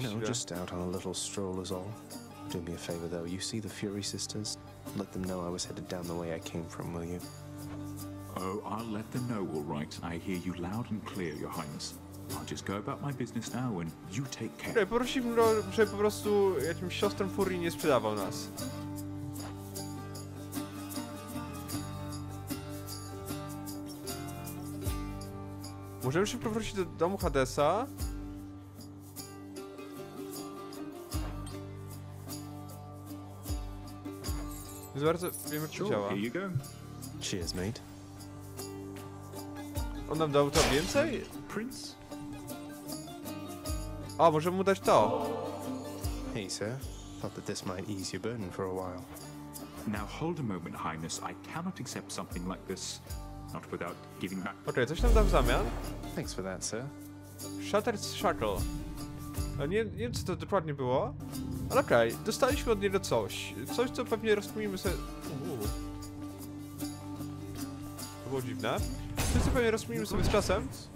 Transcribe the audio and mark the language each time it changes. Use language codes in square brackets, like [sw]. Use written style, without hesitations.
[en] Just out on a little stroll is all. Do me a favor though. You see the Fury sisters? Let them know I was headed down the way I came from, will you? Oh, I'll let them know, all right. I hear you loud and clear, Your Highness. I'll just go about my business now and you take care. [pl] Okay, poprosimy, żeby po prostu jakimś siostrom Fury nie sprzedawał nas. Możemy szybko wrócić do domu Hadesa. Jest bardzo... wiem jak to działa. [en] Cheers, mate. [pl] On nam dał to więcej? [en] Prince? [pl] O, możemy mu dać to. [en] Hey, sir. Thought that this might ease your burden for a while. Now hold a moment, Highness. I cannot accept something like this. Not without giving back. Okej, coś nam dał w zamian. Thanks for that, sir. Shattered Shackle. [pl] Nie wiem, co to dokładnie było. Ale okej, okay, dostaliśmy od niego coś. Coś, co pewnie rozkminimy sobie... To było dziwne. Coś, co pewnie rozkminimy sobie z czasem.